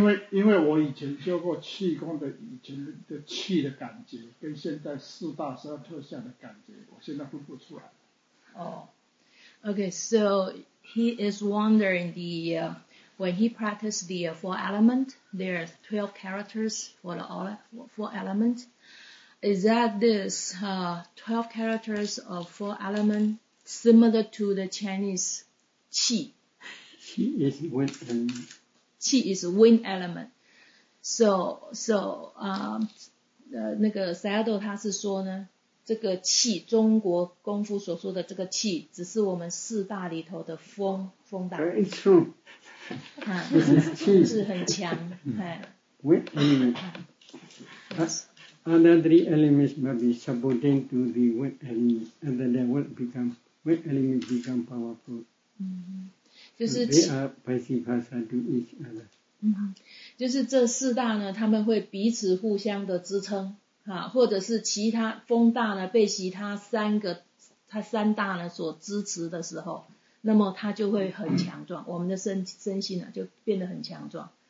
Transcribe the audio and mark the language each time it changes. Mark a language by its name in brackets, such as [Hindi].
[Chinese] 因为我以前修过气功的，以前的气的感觉跟现在四大十二特相的感觉，我现在分不出来。 [English] Okay, so he is wondering the when he practiced the four element, there are 12 characters for the four element. Is that this 12 characters of four element similar to the Chinese qi? Qi is wind element. Qi is wind element. So [Chinese] 那个 Sayado 他是说呢，这个气，中国功夫所说的这个气，只是我们四大里头的风，风大。 [English] Very true. [Chinese] 是很强。 [English] Wind element. Other three elements must be subordinate to the wind element, and then the wind becomes powerful. [Chinese] 就是 [English] they are vice versa to each other. [Chinese] 就是这四大呢，他们会彼此互相的支撑。啊，或者是其他风大呢，被其他三个，他三大呢所支持的时候，那么他就会很强壮，我们的身心呢就变得很强壮。